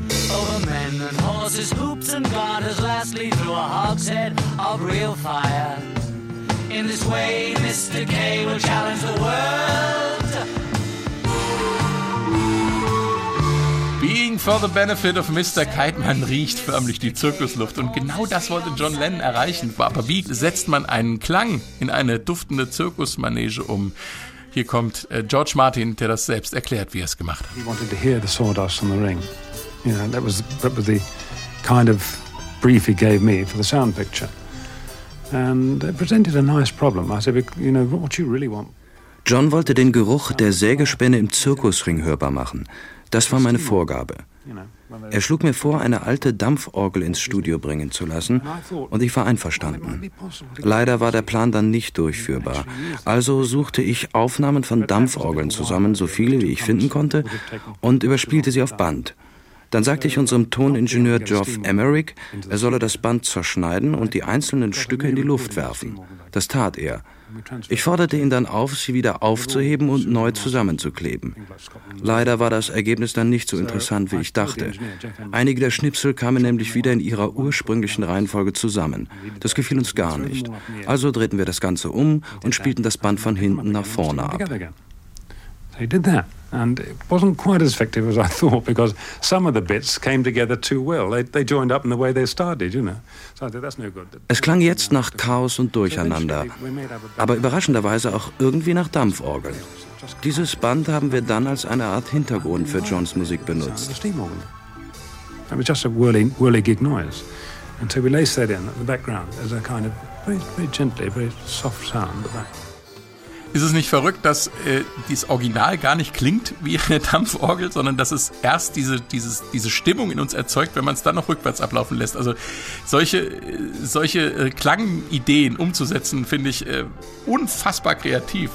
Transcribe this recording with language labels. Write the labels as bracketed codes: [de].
[en] Over men and horses, hoops and garters, lastly through a hogshead of real fire. In this way, Mr. K will challenge the world. Being for the benefit of Mr. [de] Kite, man riecht förmlich die Zirkusluft. Und genau das wollte John Lennon erreichen. Aber wie setzt man einen Klang in eine duftende Zirkusmanege um? Hier kommt George Martin, der das selbst erklärt, wie er es gemacht hat. [en] He wanted to hear the sawdust on the ring. You know, that was the kind of brief he gave me for the sound picture. And it presented a nice problem. I said, you know, what you really want. [de] John wollte den Geruch der Sägespäne im Zirkusring hörbar machen. Das war meine Vorgabe. Er schlug mir vor, eine alte Dampforgel ins Studio bringen zu lassen, und ich war einverstanden. Leider war der Plan dann nicht durchführbar. Also suchte ich Aufnahmen von Dampforgeln zusammen, so viele wie ich finden konnte, und überspielte sie auf Band. Dann sagte ich unserem Toningenieur Geoff Emerick, er solle das Band zerschneiden und die einzelnen Stücke in die Luft werfen. Das tat er. Ich forderte ihn dann auf, sie wieder aufzuheben und neu zusammenzukleben. Leider war das Ergebnis dann nicht so interessant, wie ich dachte. Einige der Schnipsel kamen nämlich wieder in ihrer ursprünglichen Reihenfolge zusammen. Das gefiel uns gar nicht. Also drehten wir das Ganze um und spielten das Band von hinten nach vorne ab. [en] He did that, and it wasn't quite as effective as I thought, because some of the bits came together too well. They joined up in the way they started, you know. So I said, that's no good. [de] Es klang jetzt nach Chaos und Durcheinander, aber überraschenderweise auch irgendwie nach Dampforgeln. Dieses Band haben wir dann als eine Art Hintergrund für Johns Musik benutzt. [en] It was just a whirligig noise, and so we laced that in at the background as a kind of very, very gently, very soft sound. [de] Ist es nicht verrückt, dass dieses Original gar nicht klingt wie eine Dampforgel, sondern dass es erst diese Stimmung in uns erzeugt, wenn man es dann noch rückwärts ablaufen lässt? Also solche Klangideen umzusetzen, finde ich unfassbar kreativ.